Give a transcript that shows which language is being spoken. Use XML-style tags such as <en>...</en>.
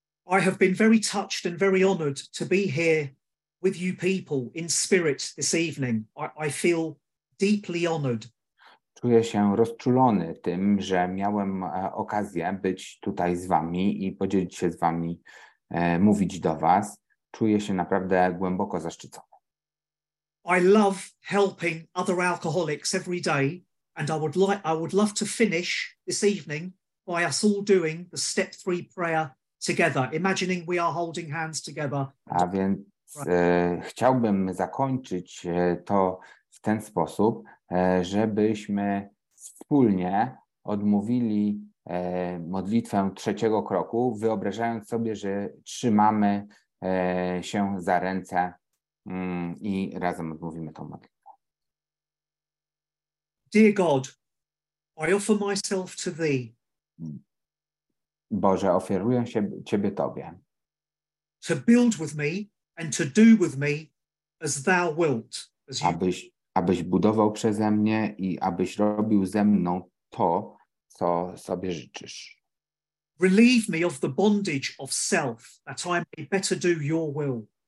<en>I have been very touched and very honored to be here with you people in spirit this evening. I feel deeply honored.</en> <pl>Czuję się rozczulony tym, że miałem okazję być tutaj z wami i podzielić się z wami, mówić do was. Czuję się naprawdę głęboko zaszczycony.</pl> <en>I love helping other alcoholics every day and I would love to finish this evening by us all doing the step three prayer together, imagining we are holding hands together.</en> <pl>A więc chciałbym zakończyć to w ten sposób, żebyśmy wspólnie odmówili modlitwę trzeciego kroku, wyobrażając sobie, że trzymamy się za ręce i razem odmówimy tą modlitwę.</pl> <en>Dear God, I offer myself to Thee.</en> <pl>Boże, ofiaruję się Ciebie Tobie.</pl> <en>To build with me and to do with me as Thou wilt. As you...</en> <pl>Abyś budował przeze mnie i abyś robił ze mną to, co sobie życzysz.</pl> <en>Relieve me of the bondage of self, that I may better do your will.</en>